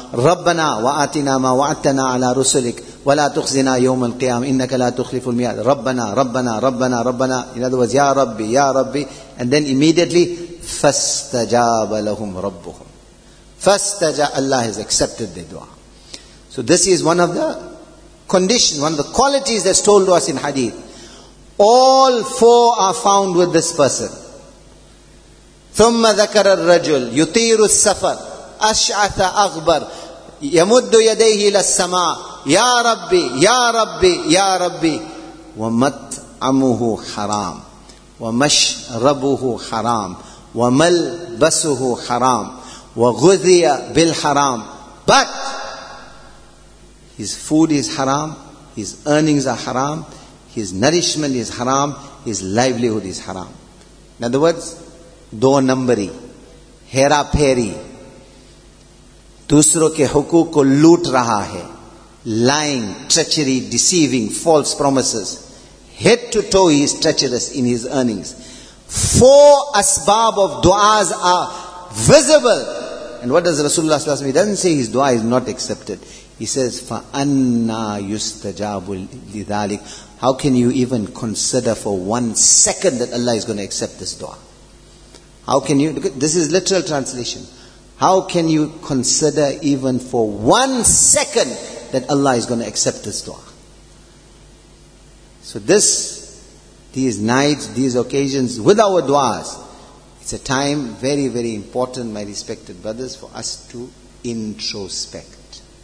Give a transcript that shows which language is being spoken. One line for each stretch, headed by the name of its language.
Arabic: Rabbana, wa atina ma wa'adtana ala rusulik, ولا تخزنا يوم القيامة إنك لا تخلف الميعاد ربنا ربنا ربنا ربنا.
English: In other words,
Arabic: Ya Rabbi, Ya Rabbi,
English: and then immediately
Arabic: فاستجاب لهم ربهم فاستجاب,
English: Allah has accepted the dua. So this is one of the conditions, one of the qualities that's told to us in hadith. All four are found with this person.
Arabic: ثم ذكر الرجل يطير السفر أشعث أغبر يمد يديه إلى السماء Ya Rabbi, Ya Rabbi, Ya Rabbi. وَمَطْعَمُهُ حَرَامُ وَمَشْرَبُهُ حَرَامُ وَمَلْبَسُهُ حَرَامُ وَغُذِيَ بِالْحَرَامُ.
English: But his food is haram, his earnings are haram, his nourishment is haram, his livelihood is haram. In other words,
Urdu: door numbery, hera pheri, dusro ke hukuk ko loot raha hai,
English: lying, treachery, deceiving, false promises. Head to toe he is treacherous in his earnings. Four asbab of du'as are visible. And what does Rasulullah SAW? He doesn't say his dua is not accepted. He says,
Arabic: فَأَنَّا يُسْتَجَابُ لِذَالِكَ.
English: How can you even consider for one second that Allah is going to accept this dua? How can you, this is literal translation. How can you consider even for 1 second that Allah is going to accept this dua? So this, these nights, these occasions, with our duas, it's a time very, very important, my respected brothers, for us to introspect.